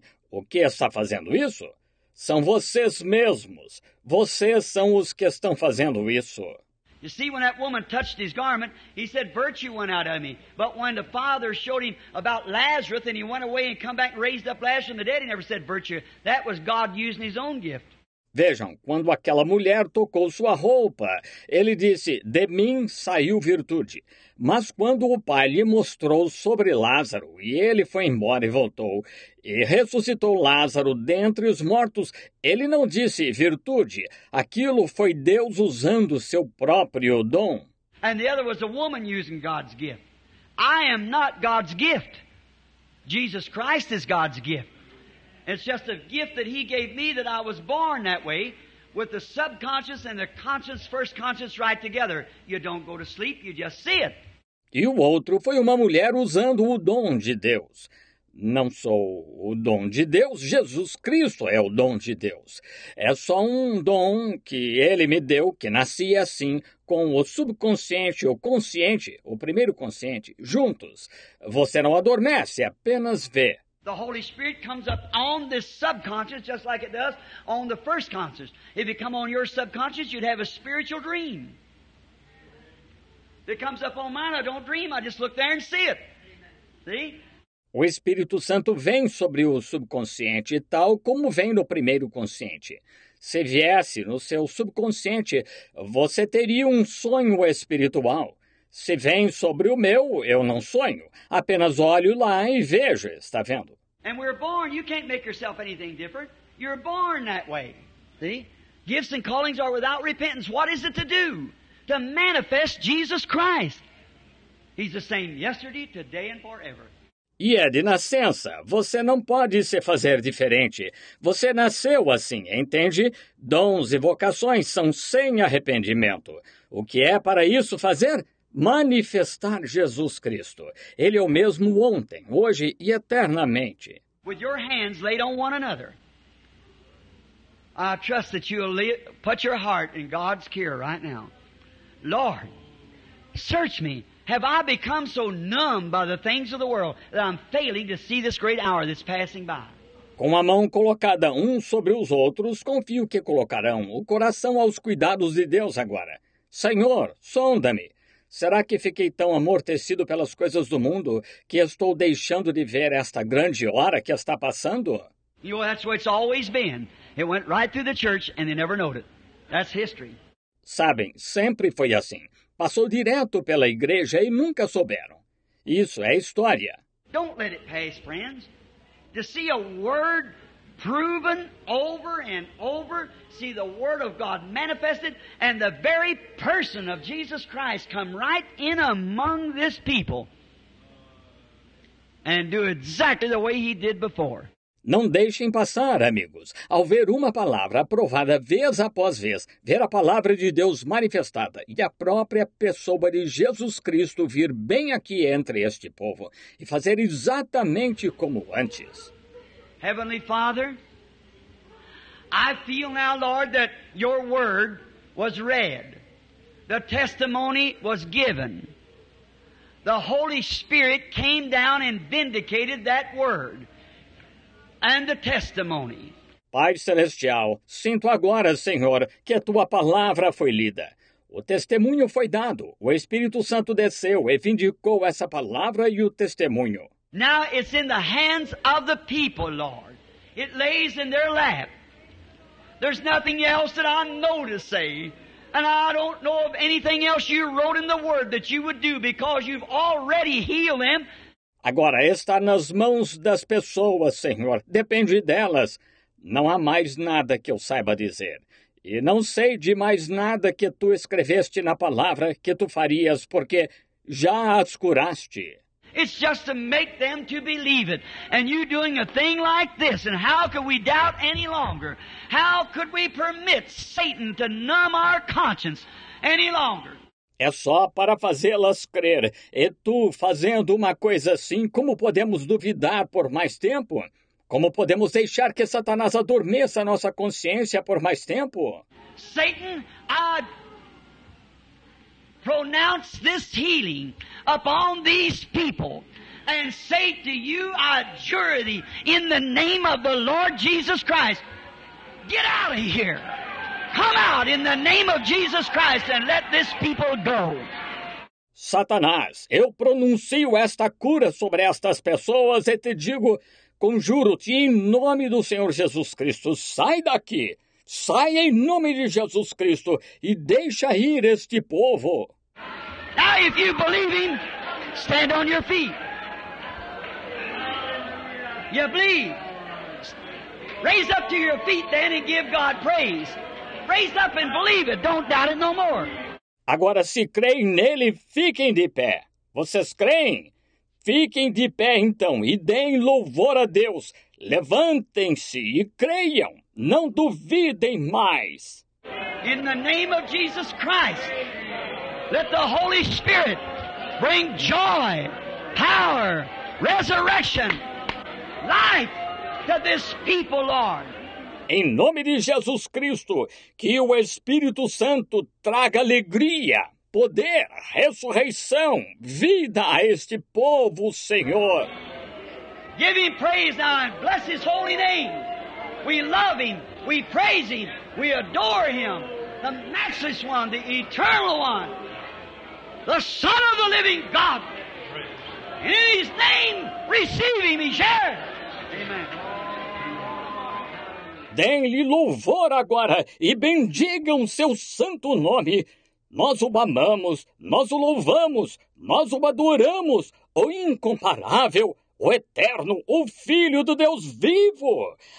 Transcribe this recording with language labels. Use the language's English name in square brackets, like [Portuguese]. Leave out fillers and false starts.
[Portuguese] O que está fazendo isso? São vocês mesmos. Vocês são os que estão fazendo isso. [English] You see, when that woman touched his garment, he said, virtue went out of me. But when the father showed him about Lazarus and he went away and come back and raised up Lazarus from the dead, he never said virtue. That was God using his own gift. [Portuguese] Vejam, quando aquela mulher tocou sua roupa, ele disse, de mim saiu virtude. Mas quando o pai lhe mostrou sobre Lázaro, e ele foi embora e voltou, e ressuscitou Lázaro dentre os mortos, ele não disse virtude. Aquilo foi Deus usando seu próprio dom. [English] And the other was a woman using God's gift. I am not God's gift. Jesus Christ is God's gift. It's just a gift that he gave me that I was born that way, with the subconscious and the conscious, first conscious right together. You don't go to sleep, you just see it. [Portuguese] E o outro foi uma mulher usando o dom de Deus. Não sou o dom de Deus, Jesus Cristo é o dom de Deus. É só um dom que ele me deu, que nasci assim, com o subconsciente, o consciente, o primeiro consciente, juntos. Você não adormece, apenas vê. [English] The Holy Spirit comes up on this subconscious just like it does on the first conscious. If it come on your subconscious, you'd have a spiritual dream. If it comes up on mine, I don't dream. I just look there and see it. See? [Portuguese] O Espírito Santo vem sobre o subconsciente tal como vem no primeiro consciente. Se viesse no seu subconsciente, você teria um sonho espiritual. Se vem sobre o meu, eu não sonho. Apenas olho lá e vejo, está vendo? [English] And we're born, you can't make yourself anything different. You're born that way. See? Gifts and callings are without repentance. What is it to do? To manifest Jesus Christ. He's the same yesterday, today and forever. [Portuguese] E é de nascença. Você não pode se fazer diferente. Você nasceu assim, entende? Dons e vocações são sem arrependimento. O que é para isso fazer? Manifestar Jesus Cristo. Ele é o mesmo ontem, hoje e eternamente. [English] With your hands laid on one another, I trust that you will put your heart in God's care right now. Lord, search me. Have I become so numb by the things of the world that I'm failing to see this great hour that's passing by? [Portuguese] Com a mão colocada um sobre os outros, confio que colocarão o coração aos cuidados de Deus agora. Senhor, sonda-me. Será que fiquei tão amortecido pelas coisas do mundo que estou deixando de ver esta grande hora que está passando? [English] You know, that's what it's always been. It went right through the church and they never noted. That's history. [Portuguese] Sabem, sempre foi assim. Passou direto pela igreja e nunca souberam. Isso é história. [English] Don't let it pass, friends. To see a word proven over and over, see the word of God manifested, and the very person of Jesus Christ come right in among this people and do exactly the way he did before. [Portuguese] Não deixem passar, amigos. Ao ver uma palavra aprovada vez após vez, ver a palavra de Deus manifestada e a própria pessoa de Jesus Cristo vir bem aqui entre este povo e fazer exatamente como antes. [English] Heavenly Father, I feel now, Lord, that your word was read. The testimony was given. The Holy Spirit came down and vindicated that word and the testimony. [Portuguese] Pai Celestial, sinto agora, Senhor, que a tua palavra foi lida. O testemunho foi dado. O Espírito Santo desceu e vindicou essa palavra e o testemunho. [English] Now it's in the hands of the people, Lord. It lays in their lap. There's nothing else that I know to say. And I don't know of anything else you wrote in the Word that you would do because you've already healed them. [Portuguese] Agora está nas mãos das pessoas, Senhor. Depende delas. Não há mais nada que eu saiba dizer. E não sei de mais nada que tu escreveste na palavra que tu farias, porque já as curaste. [English] It's just to make them to believe it. And you doing a thing like this, and how could we doubt any longer? How could we permit Satan to numb our conscience any longer? [Portuguese] É só para fazê-las crer. E tu fazendo uma coisa assim, como podemos duvidar por mais tempo? Como podemos deixar que Satanás adormeça a nossa consciência por mais tempo? [English] Satan, I pronounce this healing upon these people and say to you, I adjure thee in the name of the Lord Jesus Christ, get out of here. Come out in the name of Jesus Christ and let this people go. [Portuguese] Satanás, eu pronuncio esta cura sobre estas pessoas e te digo, conjuro-te em nome do Senhor Jesus Cristo, sai daqui. Sai em nome de Jesus Cristo e deixa ir este povo. [English] Now, if you believe him, stand on your feet. You believe? Raise up to your feet then and give God praise. Raise up and believe it. Don't doubt it no more. [Portuguese] Agora, se creem nele, fiquem de pé. Vocês creem? Fiquem de pé, então, e deem louvor a Deus. Levantem-se e creiam. Não duvidem mais. [English] In the name of Jesus Christ, let the Holy Spirit bring joy, power, resurrection, life to this people, Lord. [Portuguese] Em nome de Jesus Cristo, que o Espírito Santo traga alegria, poder, ressurreição, vida a este povo, Senhor. [English] Give him praise now and bless his holy name. We love him, we praise him, we adore him, the matchless one, the eternal one, the Son of the living God. In his name, receive him, he shares. Amen. [Portuguese] Dêem-lhe louvor agora e bendigam seu santo nome. Nós o amamos, nós o louvamos, nós o adoramos, o incomparável, o Eterno, o Filho do Deus vivo.